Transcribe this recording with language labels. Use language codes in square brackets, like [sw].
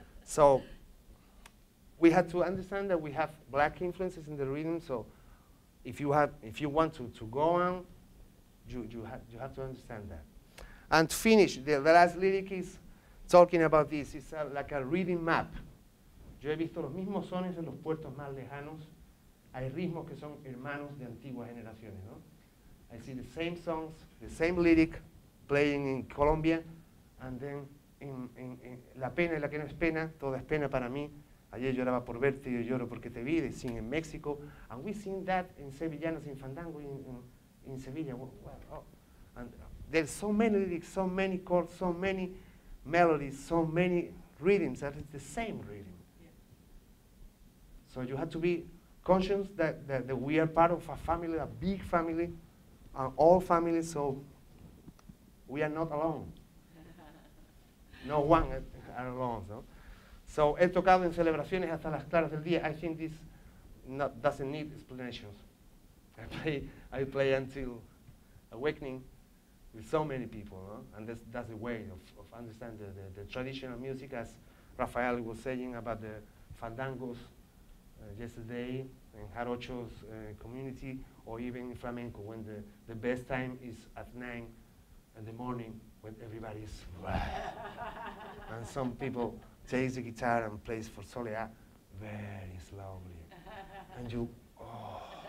[en] So we had to understand that we have black influences in the rhythm. So if you want to go on, You have to understand that. And to finish, the last lyric is talking about this. It's like a rhythm map. [es] Yo he visto los mismos sones en los puertos más lejanos. Hay ritmos que son hermanos de antiguas generaciones, no? [en] I see the same songs, the same lyric, playing in Colombia, and then in [es] La pena y la que no es pena, toda es pena para mí. Ayer lloraba por verte, yo lloro porque te vi, [en] sing in Mexico. And we sing that in Sevillanas, in Fandango, in Sevilla, and there's so many lyrics, so many chords, so many melodies, so many rhythms, that is the same rhythm. Yeah. So you have to be conscious that we are part of a family, a big family, all families, so we are not alone. No one are alone, no? [es] So, he tocado en celebraciones hasta las claras del día. [en] I think this doesn't need explanations. I play until awakening with so many people, no? And that's the way of understanding the traditional music, as Rafael was saying about the fandangos yesterday in Jarocho's community, or even in flamenco, when the best time is at 9 in the morning, when everybody's and some people take the guitar and plays for Solea very slowly, and you, oh.